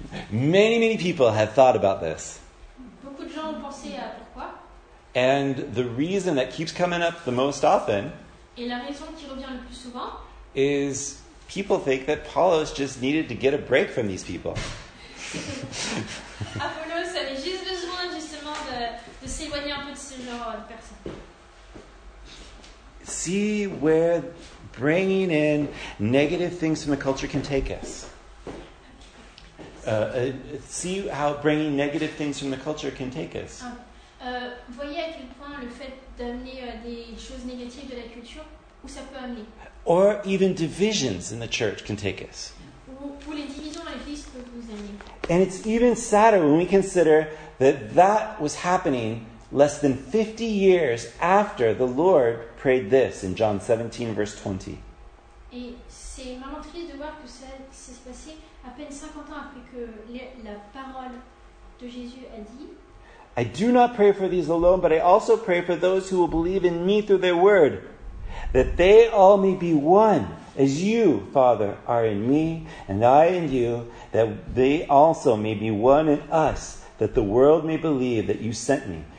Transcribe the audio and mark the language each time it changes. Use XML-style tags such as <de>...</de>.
<en>Many people have thought about this.</en> <fr>Beaucoup de gens ont pensé à pourquoi.</fr> <en>And the reason that keeps coming up the most often.</en> <fr>Et la raison qui revient le plus souvent.</fr> <en>Is people think that Apollos just needed to get a break from these people.</en> <fr>Apollos avait juste besoin justement de s'éloigner un peu de ce genre de personnes.</fr> <en>See where. Bringing in negative things from the culture can take us. See how bringing negative things from the culture can take us.</en> <fr>Voyez à quel point le fait d'amener des choses négatives de la culture où ça peut amener.</fr> <en>Or even divisions in the church can take us.</en> <fr>Où les divisions à l'église peuvent vous amener.</fr> <en>And it's even sadder when we consider that was happening less than 50 years after the Lord prayed this in John 17, verse 20.</en> <fr>Et c'est vraiment triste de voir que ça s'est passé à peine 50 ans après que la parole de Jésus a dit.</fr> <en>I do not pray for these alone, but I also pray for those who will believe in me through their word, that they all may be one, as you, Father, are in me, and I in you, that they also may be one in us, that the world may believe that you sent me.</en>